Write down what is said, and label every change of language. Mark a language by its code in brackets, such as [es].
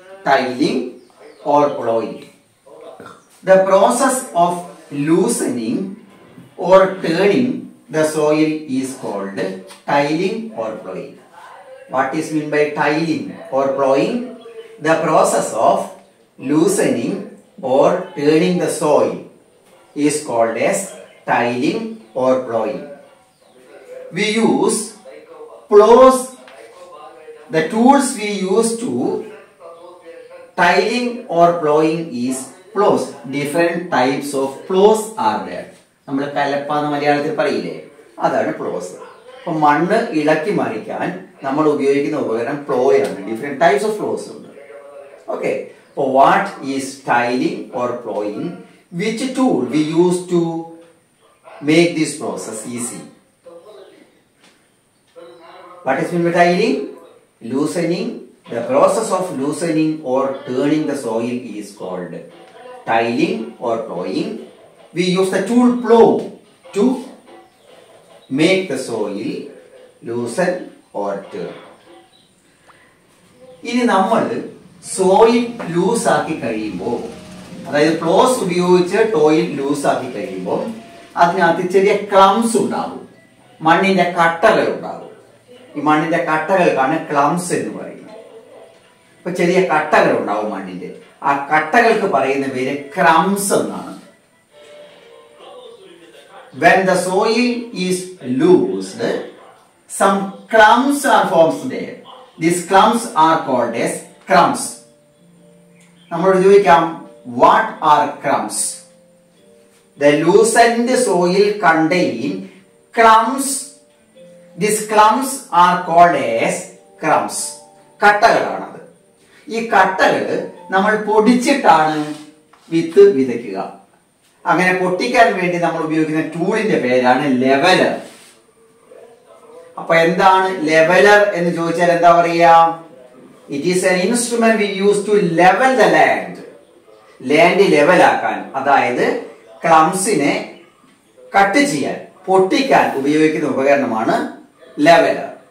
[en] Tiling or ploughing, the process of loosening or turning the soil is called tiling or ploughing. What is mean by tiling or ploughing? The process of loosening or turning the soil is called as tiling or ploughing. We use plows, the tools we use to tiling or plowing is plows. Different types of plows are there. [ml] നമ്മൾ കലപ്പാന്ന് മലയാളത്തിൽ പറയില്ലേ, അതാണ് പ്ലോസ്. അപ്പൊ മണ്ണ് ഇളക്കി മറിക്കാൻ നമ്മൾ ഉപയോഗിക്കുന്ന ഉപകരണം പ്ലോ ആണ്. [en] Different types of ploughs ഉണ്ട്, okay. What is tiling or ploughing? Which tool we use to make this process easy? What is meant by tiling? Loosening, the process of loosening or turning the soil is called tiling or plowing. We use the tool plow to make the soil loosen or turn. [ml] ഇനി നമ്മൾ soil loose ആക്കി കഴിയുമ്പോൾ, അതായത് പ്ലോസ് ഉപയോഗിച്ച് ടോയിൽ loose ആക്കി കഴിയുമ്പോൾ അതിനകത്ത് ചെറിയ ക്ലംസ് ഉണ്ടാകും, മണ്ണിന്റെ കട്ടകൾ ഉണ്ടാകും. ഈ മണ്ണിന്റെ കട്ടകൾക്കാണ് ക്ലംസ് എന്ന് പറയുന്നത്. ഇപ്പൊ ചെറിയ കട്ടകൾ ഉണ്ടാവും മണ്ണിന്റെ, ആ കട്ടകൾക്ക് പറയുന്ന പേര് ക്ലംസ് എന്നാണ്. [en] When the soil is loosed, some clumps are formed there. These clumps are called as crumbs. [ml] നമ്മൾ ചോദിക്കാം, [en] what are crumbs? The loosened soil contain crumbs. These clumps are called as crumbs. [ml] കട്ടകളാണത്. ഈ കട്ടകൾ നമ്മൾ പൊടിച്ചിട്ടാണ് വിത്ത് വിതയ്ക്കുക. അങ്ങനെ പൊട്ടിക്കാൻ വേണ്ടി നമ്മൾ ഉപയോഗിക്കുന്ന ടൂളിന്റെ പേരാണ് ലെവലർ. അപ്പൊ എന്താണ് ലെവലർ എന്ന് ചോദിച്ചാൽ എന്താ പറയുക? [en] it is an instrument we use to level the land, [ml] land ലെവലാക്കാൻ, അതായത് ക്ലംസിനെ കട്ട് ചെയ്യാൻ, പൊട്ടിക്കാൻ ഉപയോഗിക്കുന്ന ഉപകരണമാണ് ലെവലർ.